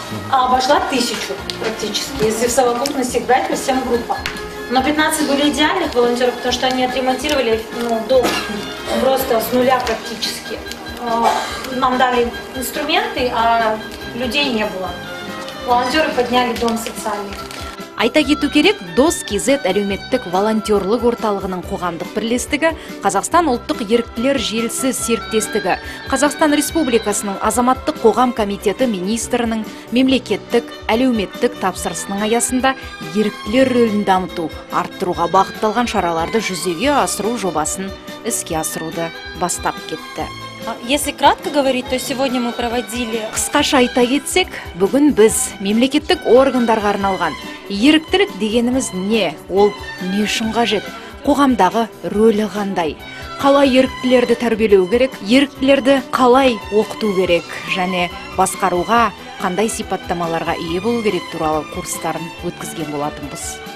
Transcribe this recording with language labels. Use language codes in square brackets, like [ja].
[ru] А обошла 1000 практически, если в совокупности брать по всем группам. Но 15 были идеальных волонтеров, потому что они отремонтировали дом просто с нуля практически. Нам дали инструменты, а людей не было. Волонтеры подняли дом социальный. [kk] Айта кету керек, ДОС КЗ әлеуметтік волонтерлік орталығының қоғамдық бірлестігі, Қазақстан ұлттық еріктілер желісі серіктестігі, Қазақстан Республикасының азаматтық қоғам комитеті министрінің мемлекеттік әлеуметтік тапсырысының аясында еріктілер рөлін дамыту, арттыруға бағытталған шараларды жүзеге асыру жобасын іске асыруды бастап кетті. [ru] Если кратко говорить, то сегодня мы проводили... [kk] Қысқаша айта кетсек, бүгін біз мемлекеттік органдарға арналған еріктілік дегеніміз не, ол не үшін қажет, қоғамдағы рөлі қандай, қалай еріктілерді тәрбиелеу керек, еріктілерді қалай оқыту керек, және басқаруға қандай сипаттамаларға ие болу керек туралы курстарын өткізген болатынбыз.